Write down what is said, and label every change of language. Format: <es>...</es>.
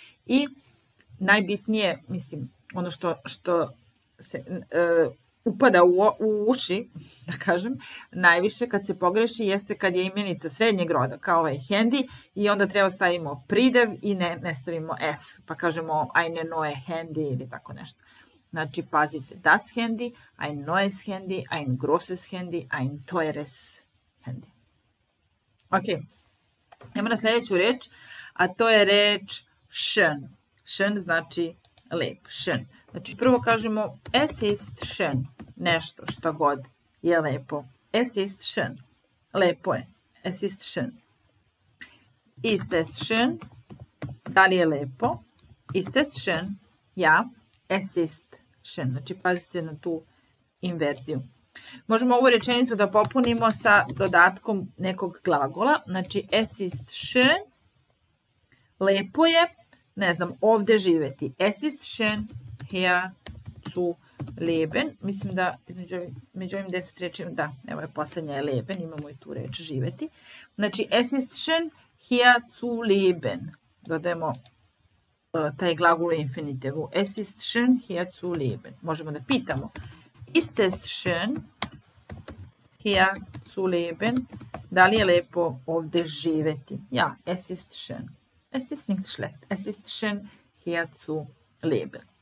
<sr>I najbitnije, mislim, ono što se upada u uši, da kažem, najviše kad se pogreši jeste kad je imenica srednjeg roda, kao ovaj handy, i onda treba stavimo pridev i ne stavimo s, pa kažemo</sr> <de>eine neue handy</de> <sr>ili tako nešto. Znači, pazite,</sr> <de>das handy, ein neues handy, ein großes handy, ein teures handy.</de> <sr>Ok, idemo na sljedeću reč, a to je reč schön. Schön znači lep, schön. Znači, prvo kažemo</sr> <de>es ist schön.</de> <sr>Nešto što god je lepo.</sr> <de>Es ist schön.</de> <sr>Lepo je. Es ist schön.</sr> <de>Ist es schön?</de> <sr>Da li je lepo?</sr> <de>Ist es schön? Ja. Es ist schön.</de> <sr>Znači, pazite na tu inverziju. Možemo ovu rečenicu da popunimo sa dodatkom nekog glagola. Znači,</sr> <de>es ist schön.</de> <sr>Lepo je. Ne znam, ovde živeti.</sr> <de>Es ist schön. Hier zu leben,</de> <sr>mislim da među ovim 10 reči, da, evo je poslednja je leben, imamo i tu reč živeti. Znači,</sr> <de>es ist schön hier zu leben.</de> <sr>Dodajemo taj glagol u infinitivu.</sr> <de>Es ist schön hier zu leben.</de> <sr>Možemo da pitamo.</sr> <de>Ist es schön hier zu leben?</de> <sr>Da li je lepo ovde živeti?</sr> <de>Ja, es ist schön. Es ist nicht schlecht. Es ist schön hier zu leben.</de>